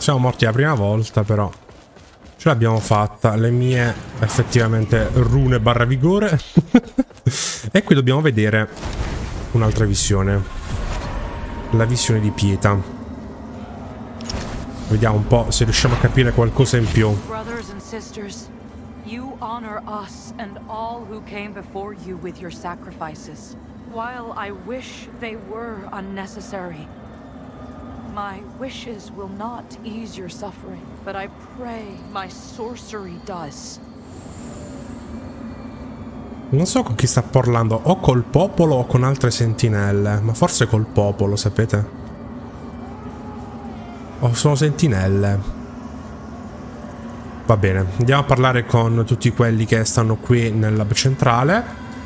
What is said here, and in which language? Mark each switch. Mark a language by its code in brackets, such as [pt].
[it] Siamo morti la prima volta, però ce l'abbiamo fatta. Le mie, effettivamente, rune barra vigore. E qui dobbiamo vedere un'altra visione. La visione di Pieta. Vediamo un po' se riusciamo a capire qualcosa in più. [en] Brothers and sisters, you honor us and all who came before you with your sacrifices. While I wish they were unnecessary, my wishes will not ease your suffering, but I pray my sorcery does. [it] Non so con chi sta parlando, o col popolo o con altre sentinelle, ma forse col popolo, sapete? O sono sentinelle. Va bene, andiamo a parlare con tutti quelli che stanno qui nella centrale.